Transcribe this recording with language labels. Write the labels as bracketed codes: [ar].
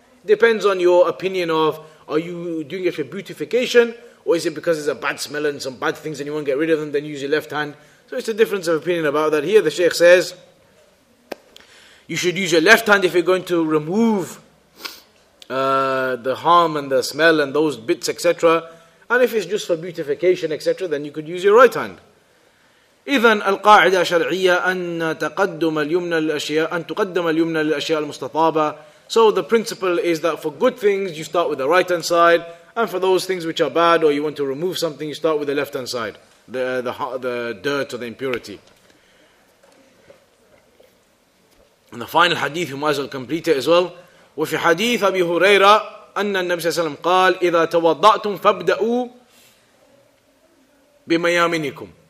[en] Depends on your opinion of, are you doing it for beautification, or is it because there's a bad smell and some bad things and you want to get rid of them, then use your left hand. So it's a difference of opinion about that. Here the Shaykh says, you should use your left hand if you're going to remove the harm and the smell and those bits, etc. And if it's just for beautification, etc., then you could use your right hand. [ar] إذن القاعدة شرعية أن تقدم اليمنى الأشياء أن تقدم اليمنى الأشياء المستطابة. [en] So the principle is that for good things you start with the right hand side, and for those things which are bad or you want to remove something, you start with the left hand side, the dirt or the impurity. And the final hadith, you might as well complete it as well. [ar] وفي حديث أبي هريرة أن النبي صلى الله عليه وسلم قال إذا توضأتم فابدأوا بميامنكم.